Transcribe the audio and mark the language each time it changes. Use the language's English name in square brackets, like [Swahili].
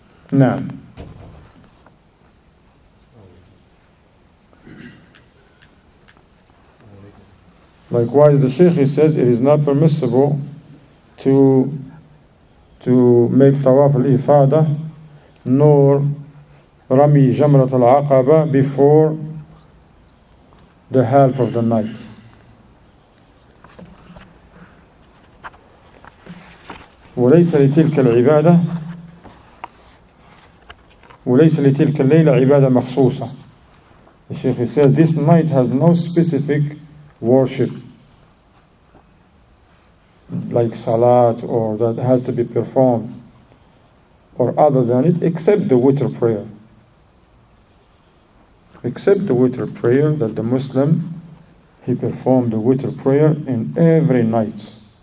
[English] Now, likewise, the Sheikh, he says, it is not permissible to make tawaf al-ifadah nor rami jamrat al-aqaba before the half of the night. [Arabic] وليس لتلك العبادة وليس لتلك الليلة عبادة مخصوصة. [English] The Sheikh says, this night has no specific worship, like salat, or that has to be performed, or other than it, except the witr prayer, that the Muslim, he performed the witr prayer in every night.